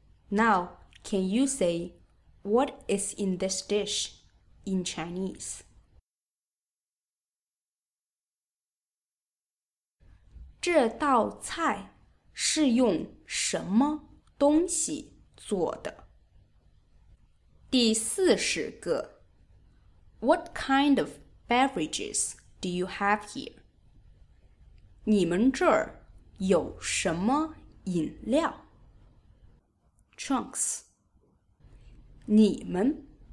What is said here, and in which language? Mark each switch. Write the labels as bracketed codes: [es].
[en] Now can you say What is in this dish in Chinese? [zh] 这道菜是用什么东西做的？第40个 [en] What kind of beverages do you have here? [zh] 你们这儿有什么饮料？ [en] Trunks [zh] 你们